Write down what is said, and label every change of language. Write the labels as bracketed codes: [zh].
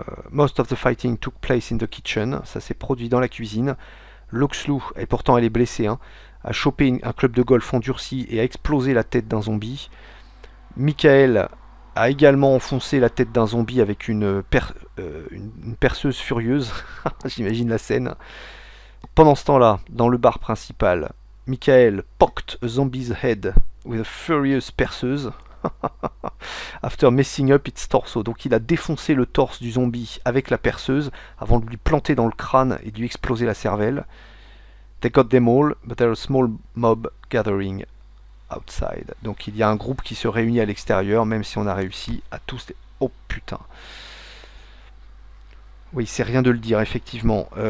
[en] Most of the fighting took place in the kitchen. [fr] Ça s'est produit dans la cuisine. Luxlou, et pourtant elle est blessée, hein, a chopé un club de golf endurci et a explosé la tête d'un zombie. Michael a également enfoncé la tête d'un zombie avec une perceuse furieuse. J'imagine la scène. Pendant ce temps-là, dans le bar principal, [en] Michael poked a zombie's head with a furious perceuse. After messing up its torso. [fr] Donc il a défoncé le torse du zombie avec la perceuse avant de lui planter dans le crâne et de lui exploser la cervelle. [en] They got them all, but there are a small mob gathering outside. [fr] Donc il y a un groupe qui se réunit à l'extérieur, même si on a réussi à tous. Oh putain. Oui, c'est rien de le dire, effectivement.